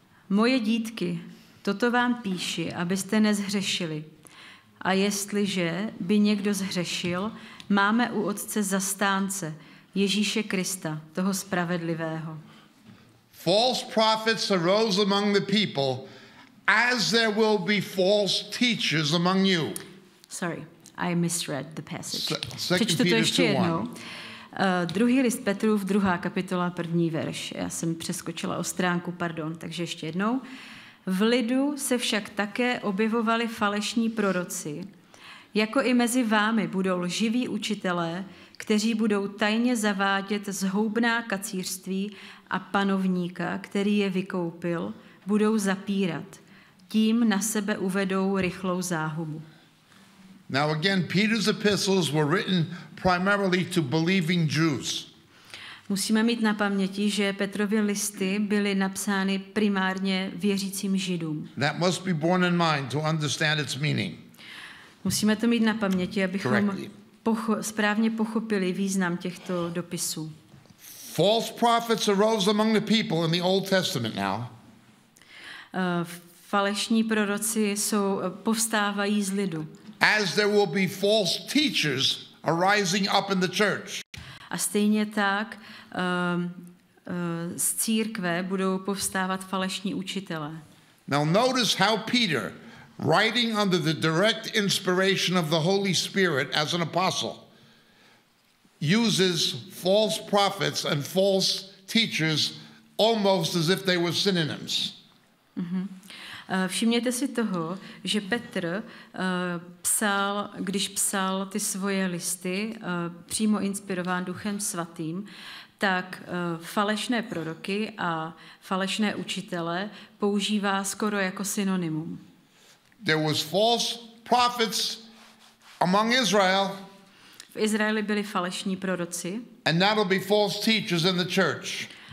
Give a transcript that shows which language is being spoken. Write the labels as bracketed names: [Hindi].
[Czech] Moje dítky, toto vám píši, abyste nezhřešili. A jestliže by někdo zhřešil, máme u Otce zastánce, Ježíše Krista, toho spravedlivého. [English] False prophets arose among the people, as there will be false teachers among you. Sorry. I misread the passage. [Czech] Přečtu to ještě jednou. Druhý list Petrův, 2. kapitola, 1. verš. Já jsem přeskočila o stránku, pardon, takže ještě jednou. V lidu se však také objevovali falešní proroci, jako i mezi vámi budou lživí učitelé, kteří budou tajně zavádět zhoubná kacířství a panovníka, který je vykoupil, budou zapírat. Tím na sebe uvedou rychlou záhubu. [English] Now again, Peter's epistles were written primarily to believing Jews. [Czech] Musíme mít na paměti, že Petrovy listy byly napsány primárně věřícím Židům. [English] That must be borne in mind to understand its meaning. [Czech] Musíme to mít na paměti, abychom správně pochopili význam těchto dopisů. [English] False prophets arose among the people in the Old Testament now. [Czech] Falešní proroci povstávají z lidu. [English] As there will be false teachers arising up in the church. [Czech] A stejně tak z církve budou povstávat falešní učitelé. [English] Now notice how Peter, writing under the direct inspiration of the Holy Spirit as an apostle, uses false prophets and false teachers almost as if they were synonyms. Mm-hmm. [Czech] Všimněte si toho, že Petr psal, když psal ty svoje listy, přímo inspirován Duchem Svatým, tak falešné proroky a falešné učitele používá skoro jako synonymum. [English] There was false prophets among Israel. [Czech] V Izraeli byli falešní proroci. [English] And that'll be false teachers in the church.